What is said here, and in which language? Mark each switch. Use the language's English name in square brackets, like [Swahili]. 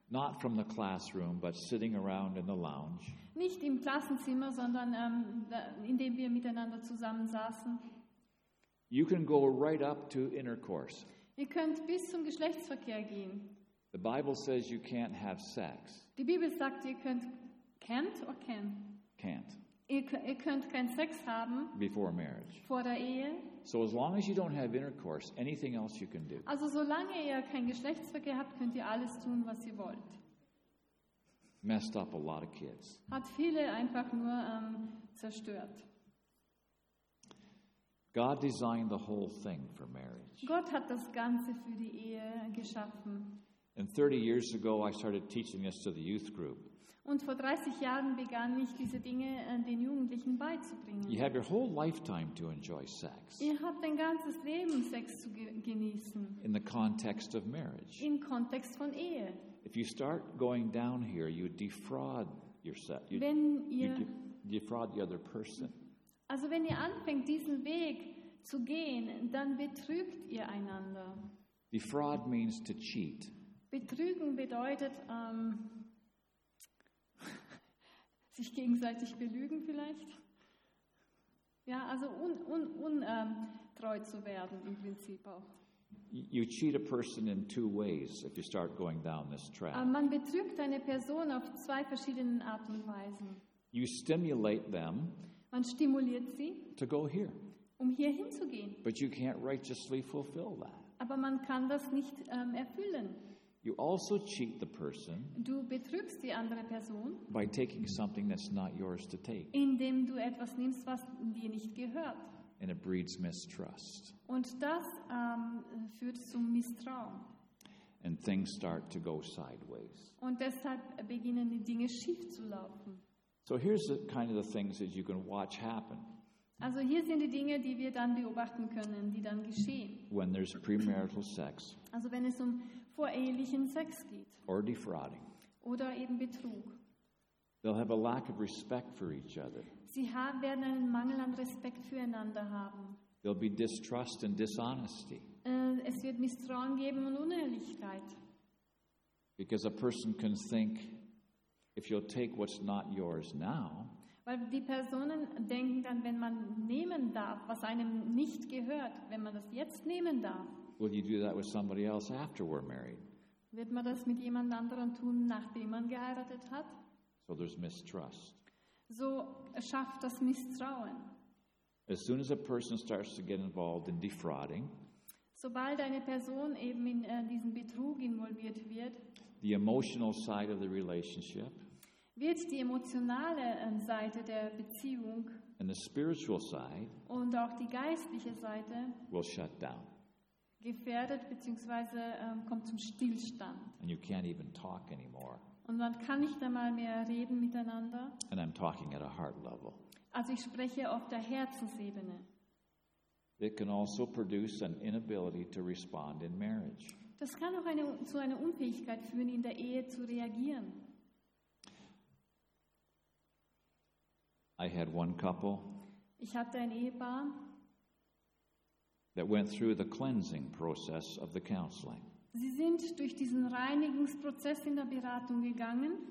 [English] Not from the classroom, but sitting around in the lounge. [German] Nicht im Klassenzimmer, sondern in dem wir miteinander zusammen saßen. [English] You can go right up to intercourse. [German] Ihr könnt bis zum Geschlechtsverkehr gehen. [English] The Bible says you can't have sex. [German] Die Bibel sagt, ihr könnt [English] can't or can. Can't. [German] Ihr könnt keinen Sex haben [English] before marriage. [German] Vor der Ehe. [English] So as long as you don't have intercourse, anything else you can do. [German] Also solange ihr keinen Geschlechtsverkehr habt, könnt ihr alles tun, was ihr wollt. [English] Messed up a lot of kids. [German] Hat viele einfach nur zerstört. [English] God designed the whole thing for marriage. [German] Gott hat das Ganze für die Ehe geschaffen. [English] And 30 years ago I started teaching this to the youth group. [German] Und vor 30 Jahren begann ich diese Dinge den Jugendlichen beizubringen. [English] You have your whole lifetime to enjoy sex. [German] Ihr habt ein ganzes Leben Sex zu genießen. [English] In the context of marriage. [German] Im Kontext von Ehe. [English] If you start going down here, you defraud yourself. You defraud the other person. [German] Also wenn ihr anfängt, diesen Weg zu gehen, dann betrügt ihr einander. [English] Defraud means to cheat. [German] Betrügen bedeutet sich gegenseitig belügen vielleicht. Ja, also untreu zu werden im Prinzip auch. [English] You cheat a person in two ways if you start going down this track. [German] Man betrügt eine Person auf zwei verschiedenen Arten und Weisen. [English] You stimulate them. [German] Man stimuliert sie, [English] to go here. [German] Um hier hinzugehen. [English] But you can't righteously fulfill that. [German] Aber man kann das nicht erfüllen. [English] You also cheat the person. [German] Du betrügst die andere Person. [English] By taking something that's not yours to take. [German] Indem du etwas nimmst, was dir nicht gehört. [English] And it breeds mistrust. [German] Und das führt zum Misstrauen. [English] And things start to go sideways. [German] Und deshalb beginnen die Dinge schief zu laufen. [English] So here's the kind of the things that you can watch happen. [German] Also hier sind die Dinge, die wir dann beobachten können, die dann geschehen. [English] When there's premarital sex. [German] Also wenn es um vorehelichen Sex geht. [English] Or defrauding. [German] Oder eben Betrug. [English] They'll have a lack of respect for each other. [German] Sie werden einen Mangel an Respekt füreinander haben. [English] There'll be distrust and dishonesty. [German] Es wird Misstrauen geben und Unehrlichkeit. [English] Because a person can think, if you'll take what's not yours now, [German] weil die Personen denken dann, wenn man nehmen darf, was einem nicht gehört, wenn man das jetzt nehmen darf, [English] will you do that with somebody else after we're married? [German] Wird man das mit jemand anderem tun, nachdem man geheiratet hat? [English] So there's mistrust. [German] So schafft das Misstrauen. [English] As soon as a person starts to get involved in defrauding, [German] sobald eine Person eben in diesen Betrug involviert wird, [English] the emotional side of the relationship, [German] wird die emotionale Seite der Beziehung [English] and the spiritual side [German] und auch die geistliche Seite [English] will shut down. [German] Gefährdet bzw. Kommt zum Stillstand. [English] And you can't even talk anymore. [German] Und man kann nicht einmal mehr reden miteinander. [English] And I'm talking at a heart level. [German] Also ich spreche auf der Herzensebene. [English] It can also produce an inability to respond in marriage. [German] Das kann auch zu einer Unfähigkeit führen, in der Ehe zu reagieren. [English] I had one couple. [German] Ich hatte ein Ehepaar. [English] That went through the cleansing process of the counseling. [German] Sie sind durch diesen Reinigungsprozess in der Beratung gegangen.